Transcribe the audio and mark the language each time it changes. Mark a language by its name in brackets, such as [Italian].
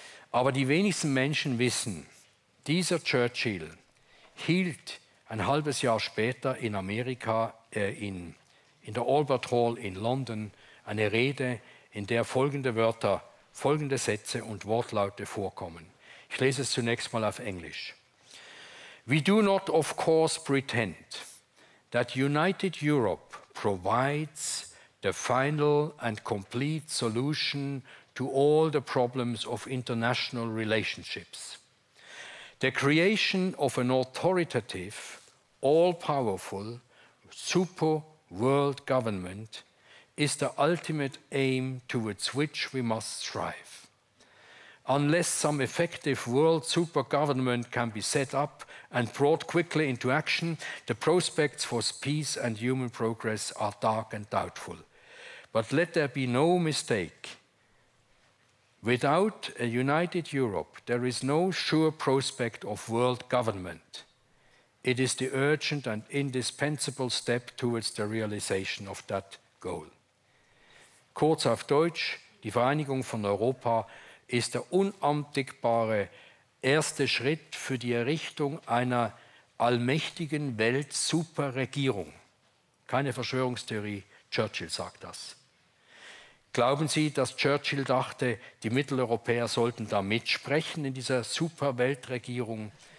[German] Aber die wenigsten Menschen wissen, dieser Churchill hielt ein halbes Jahr später in Amerika, in der Albert Hall in London, eine Rede, in der folgende Sätze und Wortlaute vorkommen. Ich lese es zunächst mal auf Englisch. [English] We do not, of course, pretend that united Europe provides the final and complete solution to all the problems of international relationships. The creation of an authoritative, all-powerful, super world government is the ultimate aim towards which we must strive. Unless some effective world supergovernment can be set up and brought quickly into action, the prospects for peace and human progress are dark and doubtful. But let there be no mistake. Without a united Europe, there is no sure prospect of world government. It is the urgent and indispensable step towards the realization of that goal. [German] Kurz auf Deutsch, die Vereinigung von Europa ist der unantastbare erste Schritt für die Errichtung einer allmächtigen Weltsuperregierung. Keine Verschwörungstheorie, Churchill sagt das. Glauben Sie, dass Churchill dachte, die Mitteleuropäer sollten da mitsprechen in dieser Superweltregierung?